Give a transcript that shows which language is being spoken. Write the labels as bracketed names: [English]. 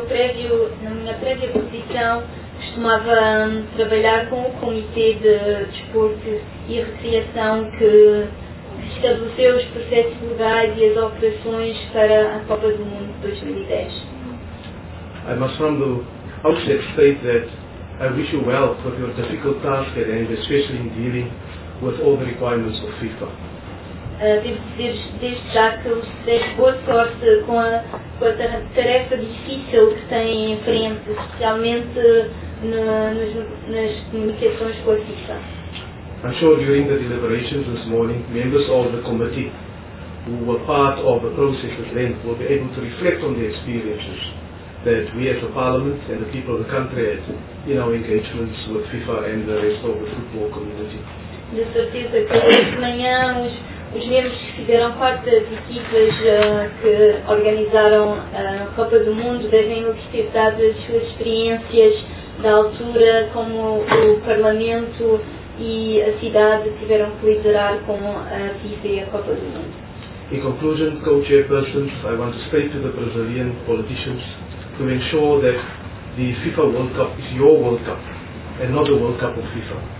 [Portuguese] Na minha prévia posição, costumava trabalhar com o Comitê de Desporto e Recreação que estabeleceu os processos legais e as operações para a Copa do Mundo de 2010. [English] I must from the outset state that I wish you well for your difficult task at hand, especially in dealing with all the requirements of FIFA. [Portuguese] Devo dizer desde já que eu desejo boa sorte com a tarefa difícil que tem em frente, especialmente nas comunicações com a FIFA. [English] I'm sure during the deliberations this morning, members of the committee who were part of the processes then will be able to reflect on the experiences that we as a parliament and the people of the country had in our engagements with FIFA and the rest of the football community. [Portuguese] De certeza que hoje de manhã os membros que fizeram parte das equipas que organizaram a Copa do Mundo devem nos ter dado as suas experiências da altura como o Parlamento e a cidade tiveram que liderar com a FIFA e a Copa do Mundo. [English] In conclusion, co-chairpersons, I want to state to the Brazilian politicians to ensure that the FIFA World Cup is your World Cup and not the World Cup of FIFA.